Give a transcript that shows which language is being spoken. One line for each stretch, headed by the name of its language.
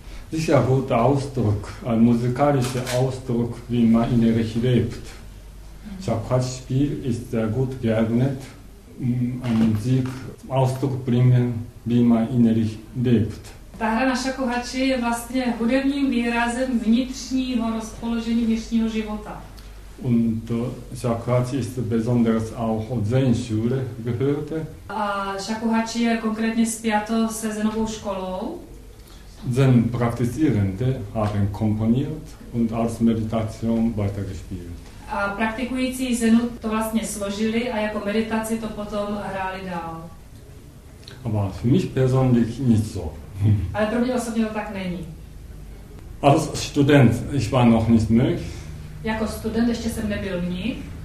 German: Sicher guter Ausdruck, ein musikalischer Ausdruck, wie man innerlich lebt. Shakuhachi-Spiel ist sehr gut geeignet, um Musik Ausdruck bringen, wie man innerlich lebt.
Czech: Ta hra na šakuhači je vlastně hudebním výrazem vnitřního rozpoložení vnitřního života.
German: Und Shakuhachi ist besonders auch Zen-Schule gehört.
Czech: A šakuhači je konkrétně spjato se Zenovou školou.
German: Zen-praktizierende haben komponiert und als Meditation weitergespielt.
Czech: A praktikující Zenu to vlastně složili a jako meditaci to potom hráli dál.
German: Aber für mich persönlich nicht so.
Czech: Ale pro mě osobně to tak není.
German: Als Student, ich war noch nicht Mönch.
Czech: Jako student ještě jsem nebyl mnich.